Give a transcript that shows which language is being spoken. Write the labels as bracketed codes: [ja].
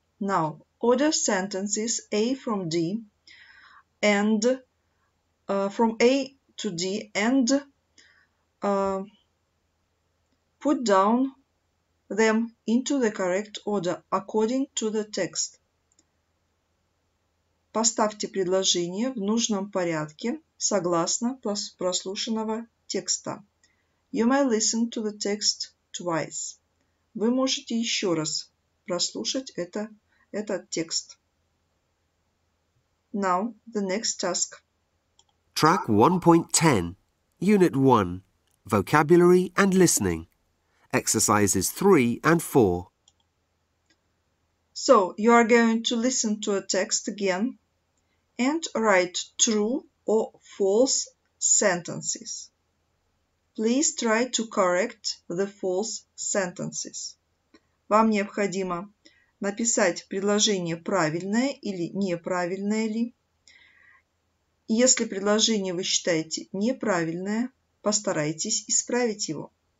[en] Now, order sentences A from D and from A to D and put down them into the correct order according to the text. [ru] Поставьте предложение в нужном порядке согласно прослушанного текста. [en] You may listen to the text twice. [ru] Вы можете еще раз прослушать этот текст. [en] Now, the next task. Track 1.10, Unit 1, Vocabulary and Listening, Exercises 3 and 4. So, you are going to listen to a text again and write true or false sentences. Please try to correct the false sentences. [ru] Вам необходимо написать предложение правильное или неправильное ли. Если предложение вы считаете неправильное, постарайтесь исправить его.